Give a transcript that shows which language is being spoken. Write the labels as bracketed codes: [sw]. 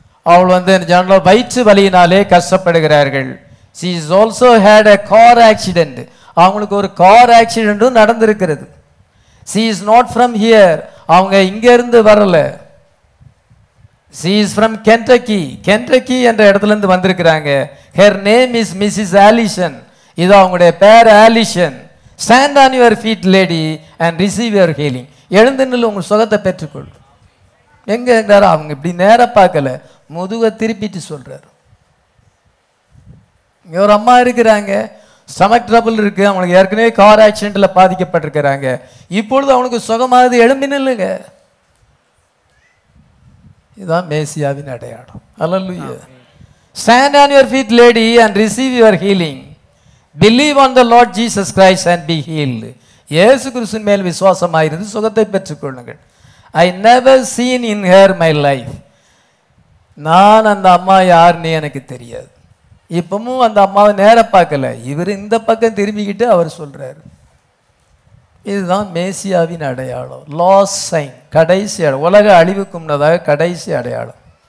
[ta] அவள் வந்து ஜனங்களோ வயிற்று வலியினாலே கஷ்டப்படுகிறார்கள். [en] She has also had a car accident. [ta] அவங்களுக்கு ஒரு கார் ஆக்சிடெண்ட்டும் நடந்திருக்கிறது. [en] She is not from here. [ta] அவங்க இங்கேருந்து வரலை. [en] She is from Kentucky. [ta] Kentucky என்ற இடத்துலேருந்து வந்திருக்கிறாங்க. [en] Her name is Mrs. Allison. [ta] இது அவங்களுடைய பேர் ஆலிஷன். [en] Stand on your feet, lady, and receive your healing. [ta] எழுந்து நில்லு, உங்கள் சுகத்தை பெற்றுக்கொள். எங்கே அவங்க இப்படி நேர பார்க்கல, முதுக திருப்பிட்டு சொல்கிறார். இங்கே ஒரு அம்மா இருக்கிறாங்க, ஸ்டமக் ட்ரபிள் இருக்குது, அவங்களுக்கு ஏற்கனவே கார் ஆக்சிடென்ட்டில் பாதிக்கப்பட்டிருக்கிறாங்க, இப்பொழுது அவனுக்கு சுகமாகுது, எழும்பி நில்லுங்க. இதுதான் மேசியாவின் அடையாளம். ஹல்லேலூயா. [en] Stand on your feet, lady, and receive your healing. Believe on the Lord Jesus Christ and be healed. [ta] இயேசு கிறிஸ்துவின் மேல் விசுவாசமாயிருந்து சுகத்தை பெற்றுக்கொள்ளுங்கள். [en] I never seen in her my life. [ta] நான் அந்த அம்மா யாருன்னு எனக்கு தெரியாது. இப்பவும் அந்த அம்மாவை நேர பார்க்கல. இவர் இந்த பக்கம் திரும்பிக்கிட்டு அவர் சொல்றாரு. இதுதான் மேசியாவின் அடையாளம், லாஸ்ட் சைன், கடைசி அடையாளம், உலக அழிவுக்கு முன்னதாக கடைசி அடையாளம்.